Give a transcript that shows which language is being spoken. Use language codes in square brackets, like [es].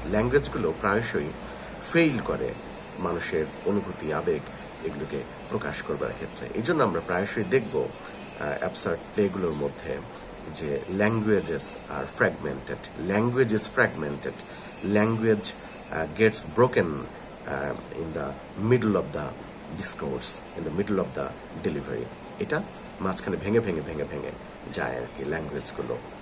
[bn] ল্যাঙ্গুয়েজগুলো প্রায়শই ফেইল করে মানুষের অনুভূতি, আবেগ, এগুলোকে প্রকাশ করবার ক্ষেত্রে। এই জন্য আমরা প্রায়শই দেখব অ্যাবসার্ড প্লেগুলোর মধ্যে যে [en] Languages are fragmented, language is fragmented, language gets broken in the middle of the discourse in the middle of the delivery. [bn] এটা মাঝখানে ভেঙে ভেঙে ভেঙে ভেঙে যায় আর কি ল্যাঙ্গুয়েজ গুলো।